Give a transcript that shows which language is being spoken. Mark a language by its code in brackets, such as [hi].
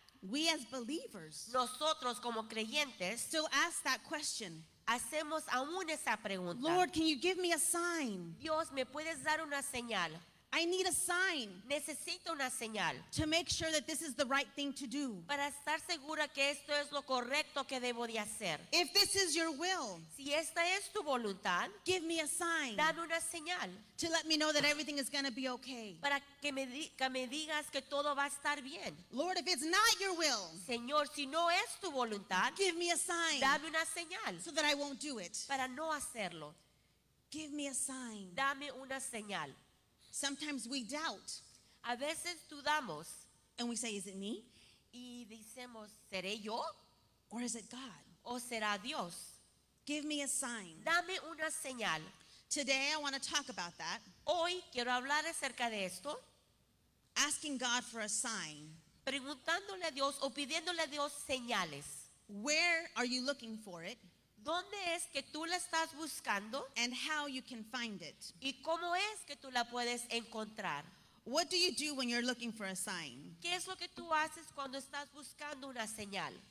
[en] We as believers, [es] nosotros como creyentes, [en] still ask that question. [es] Hacemos aún esa pregunta. [en] Lord, can you give me a sign? [es] Dios, ¿me puedes dar una señal? [en] I need a sign. [es] Necesito una señal. [en] To make sure that this is the right thing to do. [es] Para estar segura que esto es lo correcto que debo de hacer. [en] If this is your will. [es] Si esta es tu voluntad. [en] Give me a sign. [es] Dame una señal. [en] To let me know that everything is going to be okay. [es] Para que me digas que todo va a estar bien. [en] Lord, if it's not your will. [es] Señor, si no es tu voluntad. [en] Give me a sign. [es] Dame una señal. [en] So that I won't do it. [es] Para no hacerlo. [en] Give me a sign. [es] Dame una señal. [en] Sometimes we doubt. [es] A veces dudamos. [en] And we say, is it me? [es] Y decimos, ¿seré yo? [en] Or is it God? [es] ¿O será Dios? [en] Give me a sign. [es] Dame una señal. [en] Today I want to talk about that. [es] Hoy quiero hablar acerca de esto. [en] Asking God for a sign. [es] Preguntándole a Dios o pidiéndole a Dios señales. [en] Where are you looking for it? [es] ¿Dónde es que tú la estás buscando? [en] And how you can find it. [es] ¿Y cómo es que tú la puedes encontrar? [en] What do you do when you're looking for a sign? [es] ¿Qué es lo que tú haces cuando estás buscando una señal?